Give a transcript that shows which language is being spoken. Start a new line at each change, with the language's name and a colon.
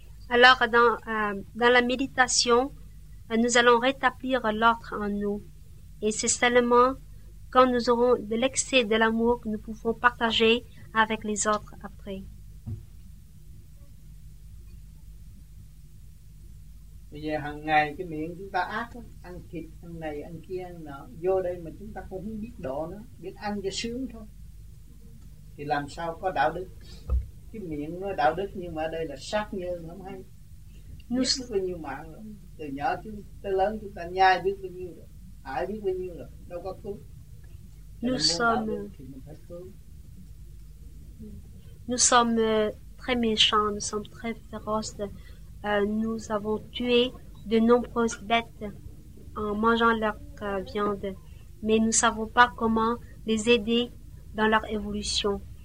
French: Alors, dans la méditation, nous allons rétablir l'ordre en nous. Et c'est seulement quand nous aurons de l'excès de l'amour que nous pouvons partager avec les autres après.
Vietnamese: Bây giờ hàng ngày cái miệng chúng ta ác lắm, ăn thịt, ăn này, ăn kia, ăn nọ, vô đây mà chúng ta cũng không biết độ nữa, biết ăn cho sướng thôi, thì làm sao có đạo đức. Cái miệng nó đạo đức nhưng mà đây là sát nhân, không hay. Nhất biết bao nhiêu mạng rồi, từ nhỏ chúng tới lớn chúng ta nhai biết bao nhiêu rồi, hại biết bao nhiêu rồi, đâu có cứu.
French: Nous sommes très méchants, nous sommes très féroces. Nous avons tué de nombreuses bêtes en mangeant leur viande, mais nous ne savons pas comment les aider dans leur évolution.